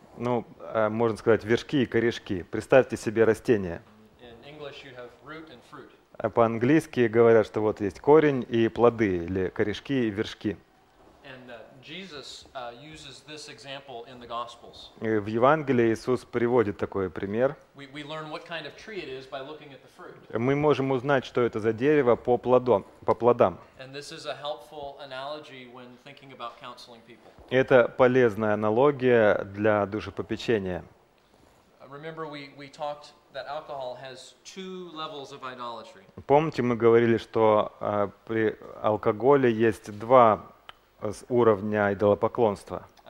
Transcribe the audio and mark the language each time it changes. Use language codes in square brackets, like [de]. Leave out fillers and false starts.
[ru] Ну, можно сказать, вершки и корешки. Представьте себе растение. [en] In English you have root and fruit. [ru] А по-английски говорят, что вот есть корень и плоды, или корешки и вершки. [en] And Jesus uses this example in the Gospels. [ru] И в Евангелии Иисус приводит такой пример. [en] We learn what kind of tree it is by looking at the fruit. [ru] Мы можем узнать, что это за дерево по плодам. [en] And this is a helpful analogy when thinking about counseling people. [ru] Это полезная аналогия для душепопечения. [en] Remember we talked that alcohol has two levels of idolatry. [ru] Помните, мы говорили, что при алкоголе есть два с уровня идолопоклонства.